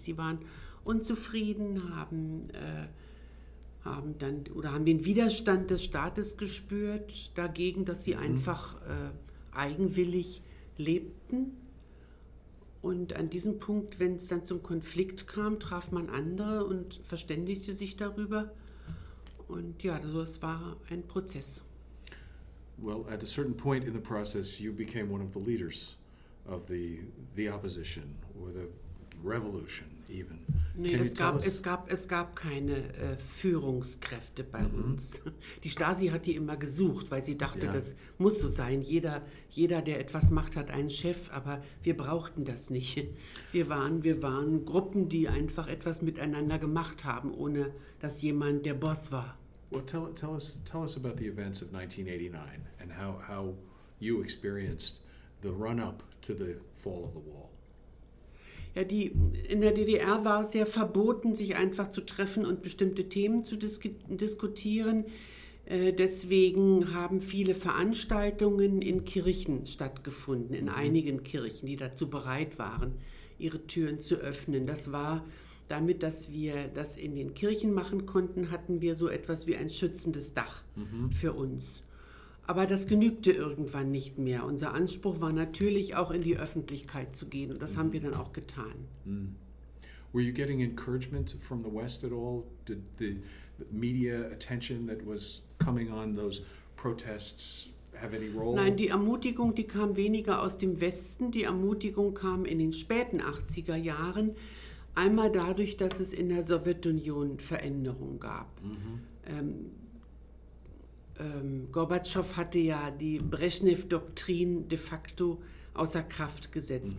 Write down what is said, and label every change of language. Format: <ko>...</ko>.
<de>Sie waren unzufrieden, haben den Widerstand des Staates gespürt dagegen, dass sie einfach eigenwillig lebten. Und an diesem Punkt, wenn es dann zum Konflikt kam, traf man andere und verständigte sich darüber. Und ja, so, es war ein Prozess.</de> <en>Well, at a certain point in the process, you became one of the leaders of the opposition or the revolution even.</en> <de>Es gab keine Führungskräfte bei uns. Die Stasi hat die immer gesucht, weil sie dachte, das muss so sein. Jeder, der etwas macht, hat einen Chef, aber wir brauchten das nicht. Wir waren Gruppen, die einfach etwas miteinander gemacht haben, ohne dass jemand der Boss war.</de> <en>Well, tell us about the events of 1989 and how you experienced the run-up to the fall of the wall.</en> <de>Ja, in der DDR war es ja verboten, sich einfach zu treffen und bestimmte Themen zu diskutieren. Deswegen haben viele Veranstaltungen in Kirchen stattgefunden, in einigen Kirchen, die dazu bereit waren, ihre Türen zu öffnen. Das war damit, dass wir das in den Kirchen machen konnten, hatten wir so etwas wie ein schützendes Dach für uns. Aber das genügte irgendwann nicht mehr. Unser Anspruch war natürlich auch, in die Öffentlichkeit zu gehen. Und das haben wir dann auch getan. Mm.</de> <en>Were you getting encouragement from the West at all? Did the media attention that was coming on those protests have any role?</en> <de>Nein, die Ermutigung, die kam weniger aus dem Westen. Die Ermutigung kam in den späten 80er Jahren. Einmal dadurch, dass es in der Sowjetunion Veränderungen gab. Gorbatschow hatte ja die Brezhnev-Doktrin de facto außer Kraft gesetzt.</de>